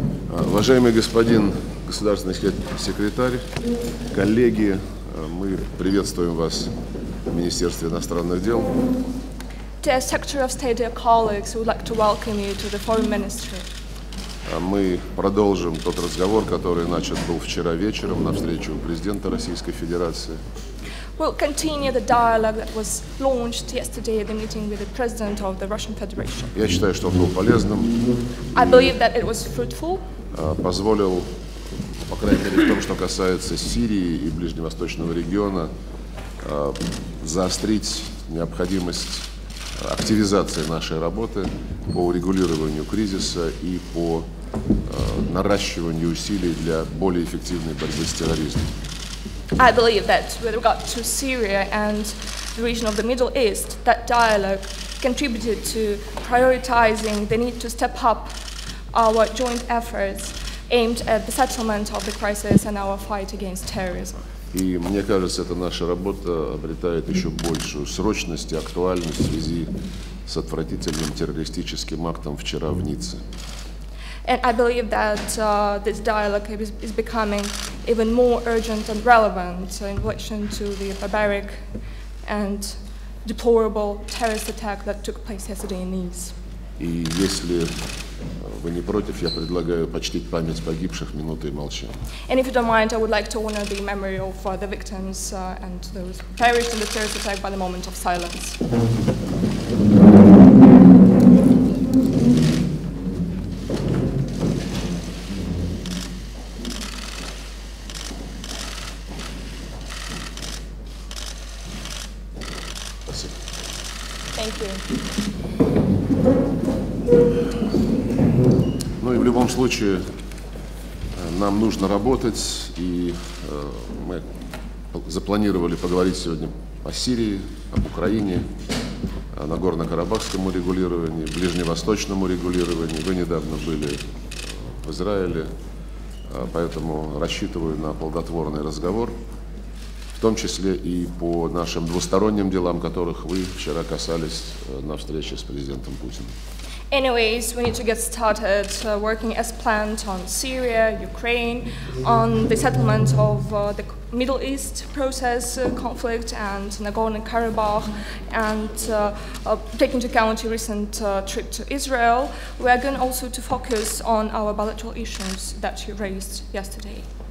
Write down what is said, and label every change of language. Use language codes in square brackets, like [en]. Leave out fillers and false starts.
[ru] Уважаемый господин государственный секретарь, коллеги, мы приветствуем вас в Министерстве иностранных дел. [en] Dear Secretary of State, dear colleagues, we'd like to welcome you to the Foreign Ministry. [ru] Мы продолжим тот разговор, который начат был вчера вечером на встрече у президента Российской Федерации. [en] We'll continue the dialogue that was launched yesterday at the meeting with the President of the Russian Federation. [ru] Я считаю, что он был полезным. [en] I believe that it was fruitful. [ru] Позволил, по крайней мере, в том, что касается Сирии и Ближневосточного региона, заострить необходимость активизации нашей работы по урегулированию кризиса и по наращиванию усилий для более эффективной борьбы с терроризмом. [en] I believe that with regard to Syria and the region of the Middle East, that dialogue contributed to prioritizing the need to step up our joint efforts aimed at the settlement of the crisis and our fight against terrorism. [ru] И мне кажется, эта наша работа обретает еще большую срочность и актуальность в связи с отвратительным террористическим актом вчера в Ницце. [en] And I believe that this dialogue is becoming even more urgent and relevant in relation to the barbaric and deplorable terrorist attack that took place yesterday in Nice. [ru] И если вы не против, я предлагаю почтить память погибших минутой молчания. [en] And if you don't mind, I would like to honor the memory of the victims and those who perished in the terrorist attack by the moment of silence. [ru] В любом случае, нам нужно работать, и мы запланировали поговорить сегодня о Сирии, об Украине, о Нагорно-Карабахском урегулировании, Ближневосточном урегулировании. Вы недавно были в Израиле, поэтому рассчитываю на плодотворный разговор, в том числе и по нашим двусторонним делам, которых вы вчера касались на встрече с президентом Путиным. [en] Anyways, we need to get started working as planned on Syria, Ukraine, on the settlement of the Middle East process conflict and Nagorno-Karabakh, and taking into account your recent trip to Israel, we are going also to focus on our bilateral issues that you raised yesterday.